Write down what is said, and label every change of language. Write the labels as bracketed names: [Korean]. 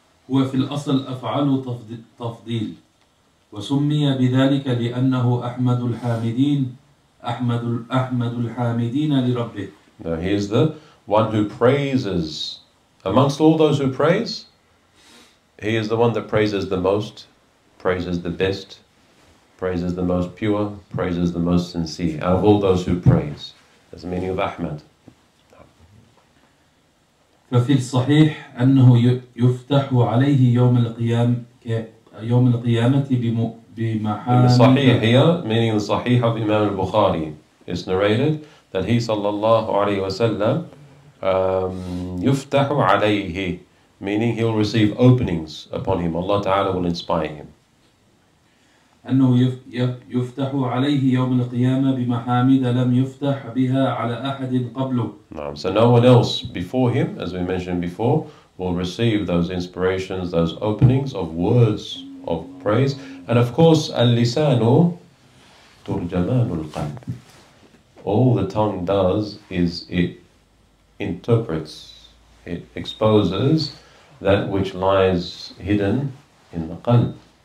[Arabic] هو في الأصل أفعال تفضيل وسمي بذلك لأنه أحمد الحامدين أحمد الحامدين لربه. [English] Now he is the one who praises amongst all those who praise. He is the one that praises the most, praises the best, praises the most pure, praises the most sincere out of all those who praise. That's the meaning of Ahmad. [Arabic] ففي الصحيح أنه يفتح عليه يوم القيام يوم القيامة بمحامد. الصحيح هي [English] meaning the صحيح of Imam al-Bukhari. It's narrated that he [Arabic] صلى الله عليه وسلم يفتح عليه, [English] meaning he'll receive openings upon him. Allah Ta'ala will inspire him. [Arabic] أنه يفتح عليه يوم القيامة بمحامد لم يفتح بها على أحد قبله. نعم. [English] So no one else before him, as we mentioned before, will receive those inspirations, those openings of words of praise. And of course, [Arabic] اللسان ترجمان القلب. [English] All the tongue does is it interprets, it exposes that which lies hidden in the qalb.